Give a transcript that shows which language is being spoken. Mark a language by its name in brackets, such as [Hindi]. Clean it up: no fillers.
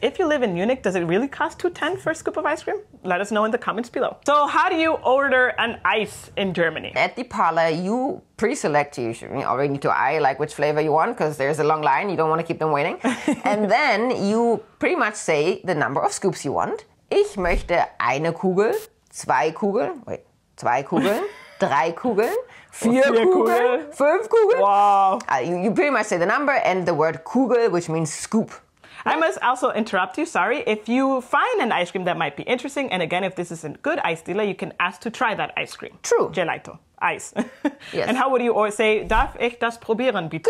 [English] If you live in Munich, does it really cost €2.10 for a scoop of ice cream? Let us know in the comments below. So how do you order an ice in Germany? At the parlor, you pre-select, you already need to eye like which flavor you want because there's a long line, you don't want to keep them waiting. And then you pretty much say the number of scoops you want. [German] Ich möchte eine Kugel, zwei Kugeln, drei Kugeln, vier Kugeln, fünf Kugeln. [English] Wow. You pretty much say the number and the word Kugel, which means scoop. I must also interrupt you, sorry. If you find an ice cream that might be interesting, and again, if this isn't good ice dealer, you can ask to try that ice cream. True. Gelato. Ice. Yes. And how would you say, [German] darf ich das probieren, bitte?